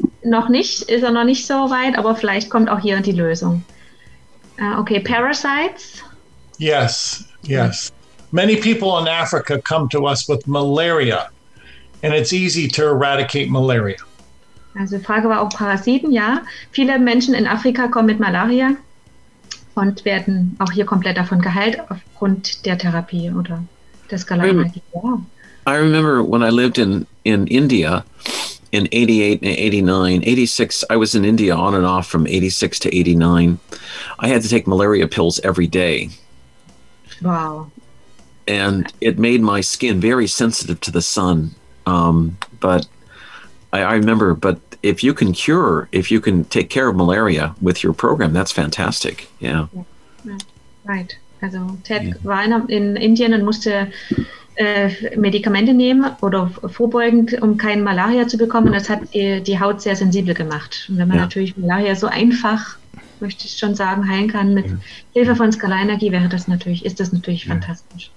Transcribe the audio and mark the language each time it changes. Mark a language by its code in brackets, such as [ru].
[de] Noch nicht, ist er noch nicht so weit, aber vielleicht kommt auch hier die Lösung. [en] Okay, parasites? Yes, yes. Many people in Africa come to us with malaria and it's easy to eradicate malaria. [de] Also die Frage war auch Parasiten, ja. Viele Menschen in Afrika kommen mit Malaria und werden auch hier komplett davon geheilt aufgrund der Therapie oder der Skalarmagie. [en] I remember when I lived in India, in 88 and 89, 86, I was in India on and off from 86 to 89. I had to take malaria pills every day. Wow. And it made my skin very sensitive to the sun. But I remember, but if you can take care of malaria with your program, that's fantastic. Yeah. Right. [de] Also Ted war in Indien und musste Medikamente nehmen oder vorbeugend, um keinen Malaria zu bekommen. Das hat die Haut sehr sensibel gemacht. Und wenn man natürlich Malaria so einfach, möchte ich schon sagen, heilen kann mit Hilfe von Skalarenergie, wäre das natürlich, ist das natürlich fantastisch.